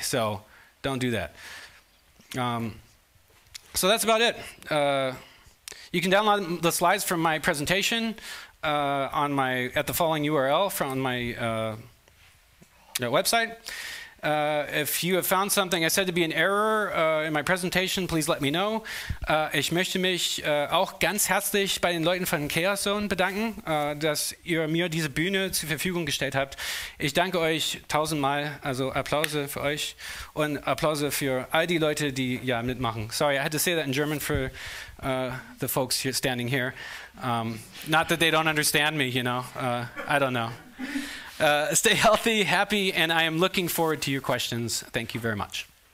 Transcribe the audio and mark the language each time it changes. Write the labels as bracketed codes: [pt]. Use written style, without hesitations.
[en] So don't do that. So that's about it. You can download the slides from my presentation at the following URL from my website. If you have found something I said to be an error in my presentation, please let me know. [de] Ich möchte mich auch ganz herzlich bei den Leuten von Chaos Zone bedanken, dass ihr mir diese Bühne zur Verfügung gestellt habt. Ich danke euch tausendmal, also Applaus für euch und Applaus für all die Leute, die ja mitmachen. [en] Sorry, I had to say that in German for the folks here standing here. Not that they don't understand me, you know. I don't know. Stay healthy, happy, and I am looking forward to your questions. Thank you very much.